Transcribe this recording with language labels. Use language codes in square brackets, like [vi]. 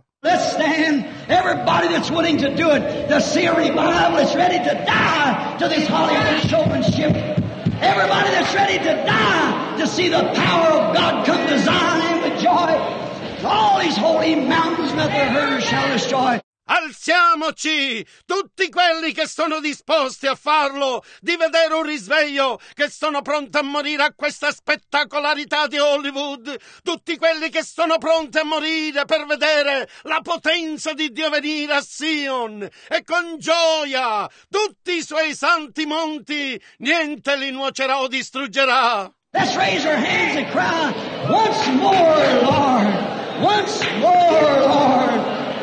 [en] Let's stand, everybody that's willing to do it, to see a revival that's ready to die to this Hollywood showmanship. Everybody that's ready to die to see the power of God come to Zion with joy. All these holy mountains that the herders shall destroy. [it] Alziamoci, tutti quelli che sono disposti a farlo, di vedere un risveglio, che sono pronti a morire a questa spettacolarità di Hollywood, tutti quelli che sono pronti a morire per vedere la potenza di Dio venire a Sion, e con gioia tutti i suoi santi monti, niente li nuocerà o distruggerà. [en] Let's raise our hands and cry, once more, Lord, once more, Lord.